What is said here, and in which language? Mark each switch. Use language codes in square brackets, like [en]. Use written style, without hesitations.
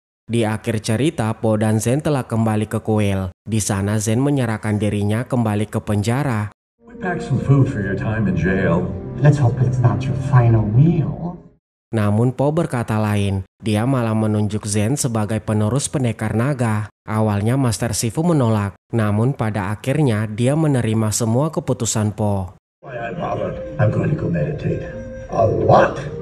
[id] Di akhir cerita, Po dan Zen telah kembali ke kuil. Di sana, Zen menyerahkan dirinya kembali ke penjara. [en] We pack some food for your time in jail. Let's hope it's not your final meal. [id] Namun Po berkata lain, dia malah menunjuk Zen sebagai penerus pendekar naga. Awalnya Master Sifu menolak, namun pada akhirnya dia menerima semua keputusan Po. [en] I'm going to go meditate. A lot.